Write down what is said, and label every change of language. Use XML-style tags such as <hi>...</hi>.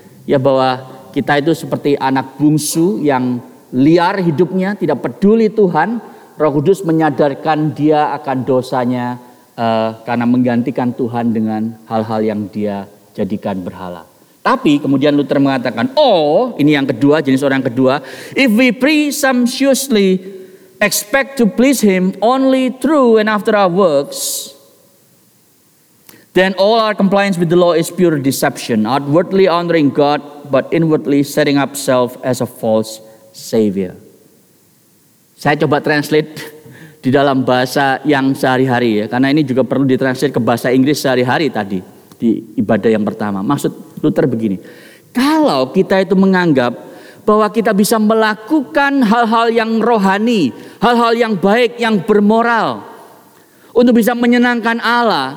<id>Ya, bahwa kita itu seperti anak bungsu yang liar hidupnya, tidak peduli Tuhan. Roh Kudus menyadarkan dia akan dosanya karena menggantikan Tuhan dengan hal-hal yang dia jadikan berhala. Tapi kemudian Luther mengatakan, oh, ini yang kedua, jenis orang kedua.</id> <en>If we presumptuously expect to please him only through and after our works, then all our compliance with the law is pure deception, outwardly honoring God, but inwardly setting up self as a false savior.</en> <id>Saya coba translate di dalam bahasa yang sehari-hari ya. Karena ini juga perlu ditranslate ke bahasa Inggris sehari-hari tadi. Di ibadah yang pertama. Maksud Luther begini. Kalau kita itu menganggap bahwa kita bisa melakukan hal-hal yang rohani, hal-hal yang baik, yang bermoral untuk bisa menyenangkan Allah.</id>